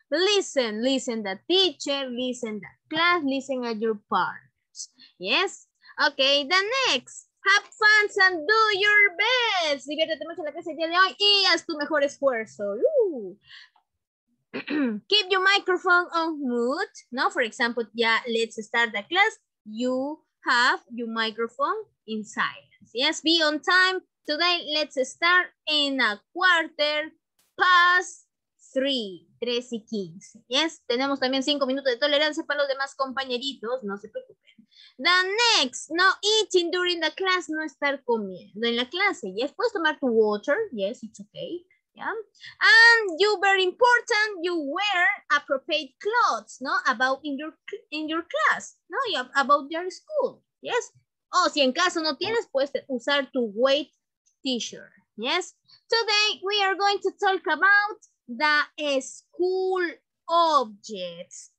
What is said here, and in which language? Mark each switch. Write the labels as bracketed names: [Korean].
[English] Listen, listen the teacher, listen the class, listen at your parents. Yes, okay, the next. Have fun and do your best. [Spanish] Diviértete mucho en la clase el día de hoy y haz tu mejor esfuerzo. [English] Keep your microphone on mute. No, for example, yeah, let's start the class. You have your microphone in silence. Yes, be on time. Today, let's start in a quarter past three. 3:15. [Spanish] Yes, tenemos también 5 minutos de tolerancia para los demás compañeritos. No se preocupen. [English] The next, no eating during the class. [Spanish] No estar comiendo en la clase. Yes, puedes tomar tu water. [English] Yes, it's okay. Yeah. And you very important, you wear appropriate clothes, no, about in your class, no, about your school. Yes. [Spanish] Oh, si en caso no tienes, puedes usar tu [English] weight t-shirt. Yes. Today we are going to talk about the school objects.